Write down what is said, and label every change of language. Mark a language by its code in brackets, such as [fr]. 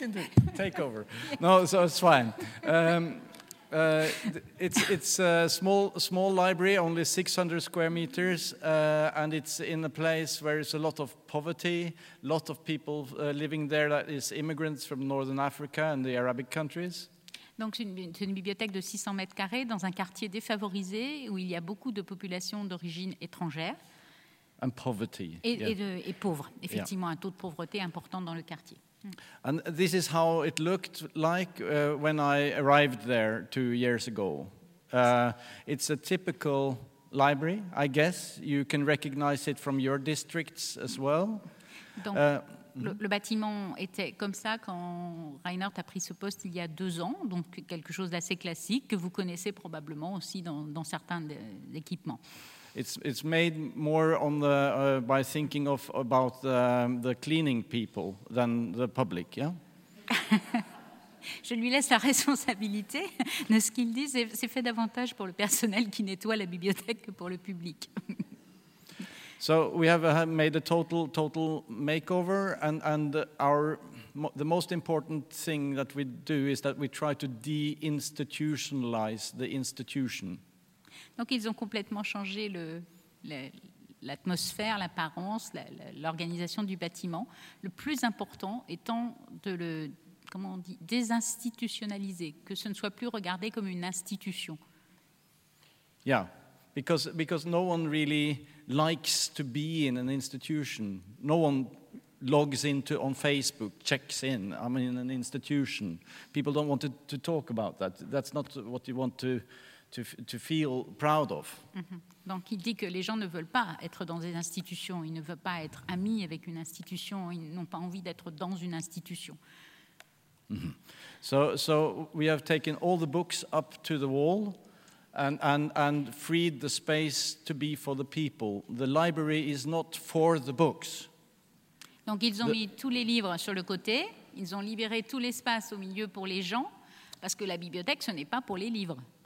[en] You can do it. Take over. Yeah. No, so it's fine. It's a small library, only 600 square meters, and it's in a place where there's a lot of poverty, a lot of people living there that is immigrants from Northern Africa and the Arabic countries. [fr] Donc c'est une bibliothèque de 600 mètres carrés dans un quartier défavorisé où il y a beaucoup de populations d'origine étrangère. [en] And poverty. [fr] Et pauvre, effectivement, un taux de pauvreté important dans le quartier. [en] And this is how it looked like when I arrived there 2 years ago. It's a typical library, I guess. You can recognize it from your districts as well. [fr] Donc, le bâtiment était comme ça quand Reinhardt a pris ce poste il y a 2 ans, donc quelque chose d'assez classique que vous connaissez probablement aussi dans certains équipements. [en] It's made more on the by thinking of about the cleaning people than the public, yeah. [fr] Je lui laisse la responsabilité de ce qu'il dit. C'est fait davantage pour le personnel qui nettoie la bibliothèque que pour le public. [en] So we have made a total makeover, and the most important thing that we do is that we try to deinstitutionalize the institution. [fr] Donc ils ont complètement changé l'atmosphère, l'apparence, l'organisation du bâtiment. Le plus important étant de le, comment on dit, désinstitutionnaliser, que ce ne soit plus regardé comme une institution. [en] Yeah, because no one really likes to be in an institution. No one logs into on Facebook, checks in. I'm in an institution. People don't want to talk about that. That's not what you want to feel proud of. [fr] Donc il dit que les gens ne veulent pas être dans des institutions, ils ne veulent pas être amis avec une institution, ils n'ont pas envie d'être dans une institution. [en] So we have taken all the books up to the wall and freed the space to be for the people. The library is not for the books. [fr] Donc ils ont mis tous les livres sur le côté, ils ont libéré tout l'espace au milieu pour les gens, parce que la bibliothèque ce n'est pas pour les livres.